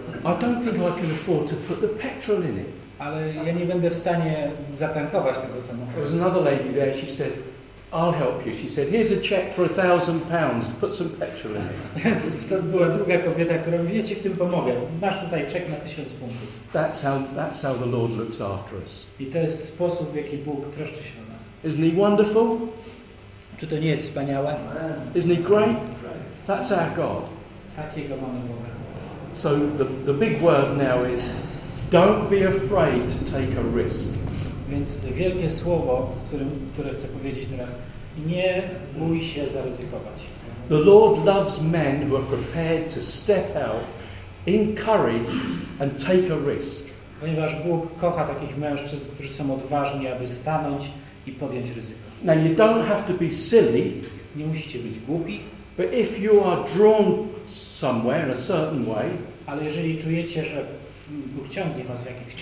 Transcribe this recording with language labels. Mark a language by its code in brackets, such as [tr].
[en] I don't think I can afford to put the petrol in it. [pl] Ale ja nie będę w stanie zatankować tego samochodu. [en] There was another lady there, she said, I'll help you. She said, here's a check for £1,000, put some petrol in it. [pl] To była druga kobieta, która mówi, ja ci w tym pomogę. Masz tutaj czek na 1000 funtów. [en] That's how the Lord looks after us. [pl] I to jest sposób, w jaki Bóg troszczy się o nas. [en] Isn't he wonderful? [pl] Czy to nie jest wspaniałe? [en] Isn't he great? That's our God. [pl] Takiego mamy Boga. [en] So the big word now is, don't be afraid to take a risk. [pl] Więc wielkie słowo, które chcę powiedzieć teraz, nie bój się zaryzykować. [en] The Lord loves men who are prepared to step out in courage and take a risk. [pl] Ponieważ Bóg kocha takich mężczyzn, którzy są odważni, aby stanąć i podjąć ryzyko. [en] Now you don't have to be silly, [pl] nie musicie być głupi, [en] but if you are drawn somewhere in a certain way, [pl] ale jeżeli czujecie, że Bóg ciągnie was w jakimś kierunku,